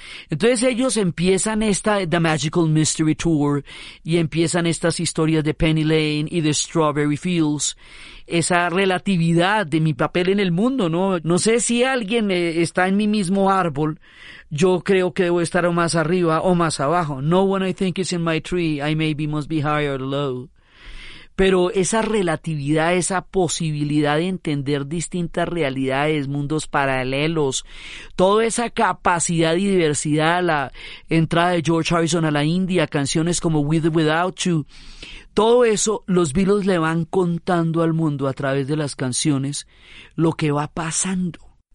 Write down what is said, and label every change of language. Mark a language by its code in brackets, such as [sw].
[es] Entonces ellos empiezan esta The Magical Mystery Tour y empiezan estas historias de Penny Lane y de Strawberry Fields, esa relatividad de mi papel en el mundo, ¿no? No sé si alguien está en mi mismo árbol, yo creo que debo estar o más arriba o más abajo. [en] No one I think is in my tree, I maybe must be high or low. [es] Pero esa relatividad, esa posibilidad de entender distintas realidades, mundos paralelos, toda esa capacidad y diversidad, la entrada de George Harrison a la India, canciones como With or Without You, todo eso los Beatles le van contando al mundo a través de las canciones lo que va pasando.